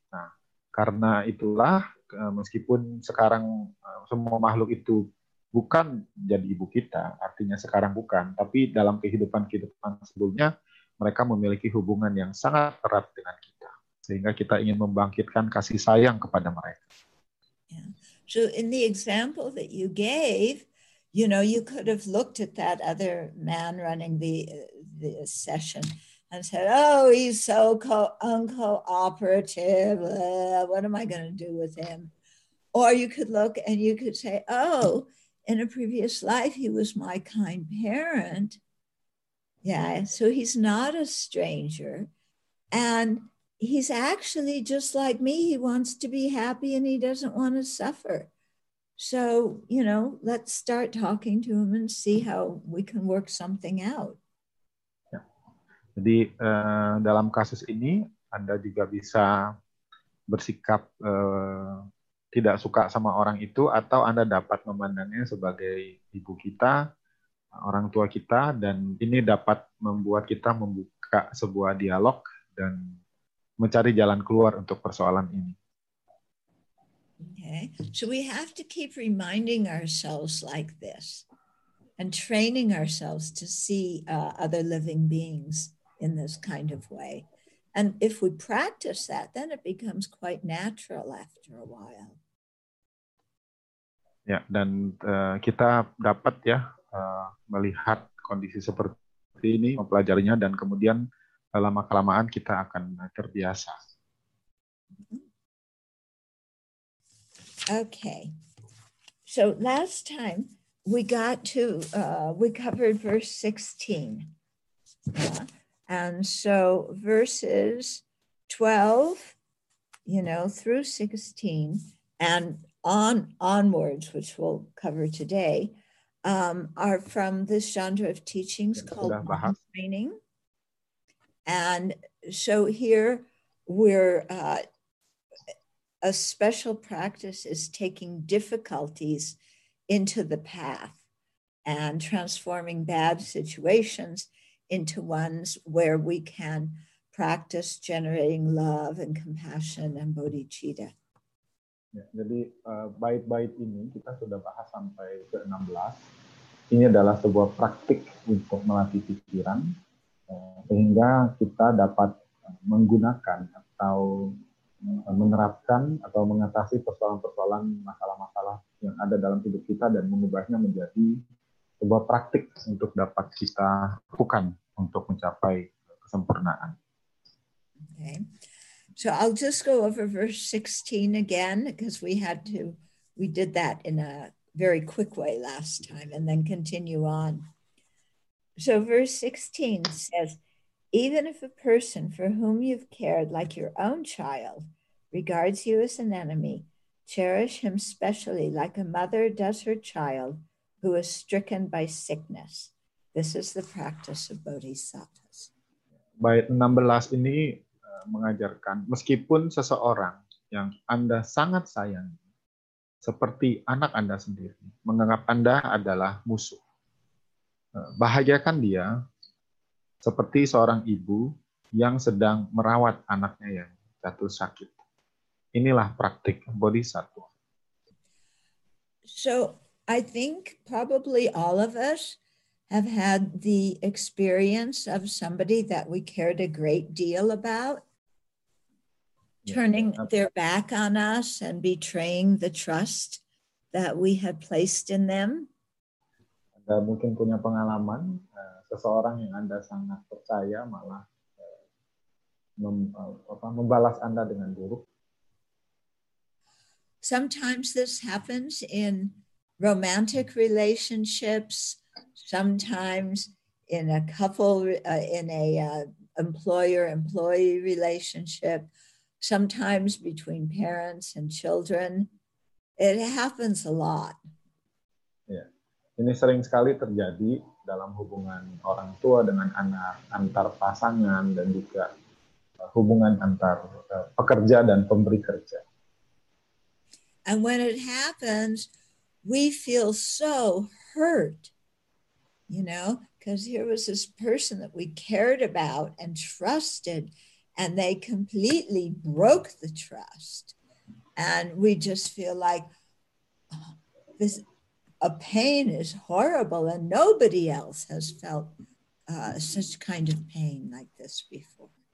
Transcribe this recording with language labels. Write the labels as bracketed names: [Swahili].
[Indonesian] Nah, karena itulah meskipun sekarang semua makhluk itu bukan jadi ibu kita, artinya sekarang bukan, tapi dalam kehidupan-kehidupan sebelumnya mereka memiliki hubungan yang sangat erat dengan kita, sehingga kita ingin membangkitkan kasih sayang kepada mereka. [English] Yeah. So in the example that you gave, you know, you could have looked at that other man running the session and said, oh, he's so uncooperative. What am I going to do with him? Or you could look and you could say, oh, in a previous life, he was my kind parent. Yeah, so he's not a stranger. And he's actually just like me. He wants to be happy and he doesn't want to suffer. So, you know, let's start talking to him and see how we can work something out. [Indonesian] Ya. Jadi dalam kasus ini Anda juga bisa bersikap tidak suka sama orang itu, atau Anda dapat memandangnya sebagai ibu kita, orang tua kita, dan ini dapat membuat kita membuka sebuah dialog dan mencari jalan keluar untuk persoalan ini. [English] Okay, so we have to keep reminding ourselves like this and training ourselves to see other living beings in this kind of way. And if we practice that, then it becomes quite natural after a while. [Indonesian] Ya, dan kita dapat ya melihat kondisi seperti ini, mempelajarinya, dan kemudian lama-kelamaan kita akan terbiasa. [English] Okay, so last time we got to, we covered verse 16. And so verses 12, you know, through 16 and onwards, which we'll cover today, are from this genre of teachings called mind training. And so here we're... a special practice is taking difficulties into the path and transforming bad situations into ones where we can practice generating love and compassion and bodhicitta. [Indonesian] Ya, jadi bait-bait ini kita sudah bahas sampai ke 16. Ini adalah sebuah praktik untuk melatih pikiran sehingga kita dapat menggunakan atau menerapkan atau mengatasi persoalan-persoalan, masalah-masalah yang ada dalam hidup kita dan mengubahnya menjadi sebuah praktik untuk dapat kita lakukan untuk mencapai kesempurnaan. [English] Okay, so I'll just go over verse 16 again because we did that in a very quick way last time and then continue on. So verse 16 says, even if a person for whom you've cared like your own child regards you as an enemy, cherish him specially like a mother does her child who is stricken by sickness. This is the practice of bodhisattvas. [Indonesian] Bait 16 ini mengajarkan, meskipun seseorang yang Anda sangat sayangi, seperti anak Anda sendiri, menganggap Anda adalah musuh, bahagiakan dia seperti seorang ibu yang sedang merawat anaknya yang jatuh sakit. Inilah praktik bodhisattva. [English] So I think probably all of us have had the experience of somebody that we cared a great deal about turning their back on us and betraying the trust that we have placed in them. [Indonesian] Anda mungkin punya pengalaman seseorang yang Anda sangat percaya malah membalas Anda dengan buruk. [English] Sometimes this happens in romantic relationships, sometimes in a couple, employer-employee relationship, sometimes between parents and children. It happens a lot. Yeah. [Indonesian] Ini sering sekali terjadi dalam hubungan orang tua dengan anak, antar pasangan, dan juga hubungan antar pekerja dan pemberi kerja. [English] And when it happens, we feel so hurt, you know, because here was this person that we cared about and trusted, and they completely broke the trust. And we just feel like this a pain is horrible, and nobody else has felt such kind of pain like this before.